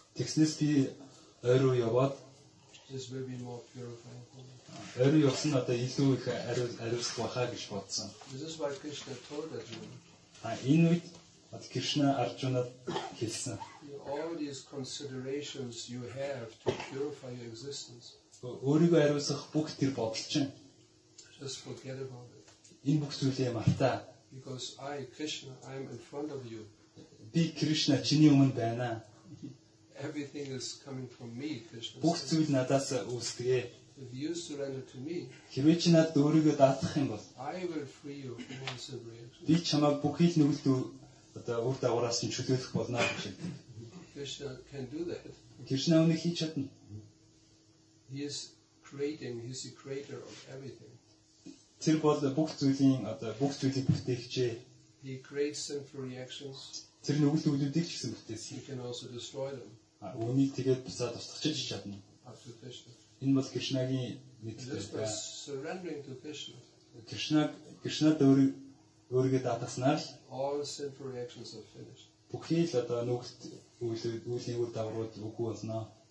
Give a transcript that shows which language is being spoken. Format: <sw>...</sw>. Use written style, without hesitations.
<mn>Тэгснээс би ойруу яваад</mn> <en>This will be more purifying for me.</en> <mn>Ариу явсан одоо илүү их ариусах байхаа гэж бодсон.</mn> <en>This is why Krishna told Arjuna.</en> <mn>Энэ үед Кришна Арджунад хэлсэн.</mn> <en>All these considerations you have to purify your existence.</en> <mn>Өөрийгөө ариусах бүх тэр бодол чинь.</mn> <en>Just forget about it.</en> <mn>Энэ бүх зүйл юм аль та.</mn> <en>Because I, Krishna, I am in front of you.</en> <mn>Би Кришна чиний өмнө байна.</mn> <en>Everything is coming from me, Krishna.</en> <mn>Бүх зүйл надаас үүсдэгэ.</mn> <en>If you surrender to me,</en> <mn>хэрвээ чи надад өөрийгөө даатгах юм бол,</mn> <en>I will free you from all sinful reactions.</en> <mn>Би чамайг бүхэл нүгэлт одоо үр дагавраас нь чөлөөлөх болно гэж хэлдэг.</mn> <en>Krishna can do that.</en> <mn>Кришна өөнийг хийж чадна.</mn> <en>He is creating, he's the creator of everything.</en> <mn>Тэр бол бүх зүйлийн одоо бүх зүйлийг бүтээгчээ.</mn> <en>He creates them for reactions.</en> <mn>Тэр нүгэл үүлүүдийг ч гэсэн бүтээсэн.</mn> <en>He can also destroy them.</en> <mn>А үүнийг тэгээд бусаа тусгачиж чадна. Энэ бол Кришнагийн мэдлэгтэй.</mn> <en>Surrendering to Krishna.</en> <mn>Кришна өөрийгөө даатгаснаар л</mn> <en>all sinful reactions are finished.</en> <mn>Бүхий л одоо нүгэлт үүлийн үр дагаврууд үгүй болно.</mn>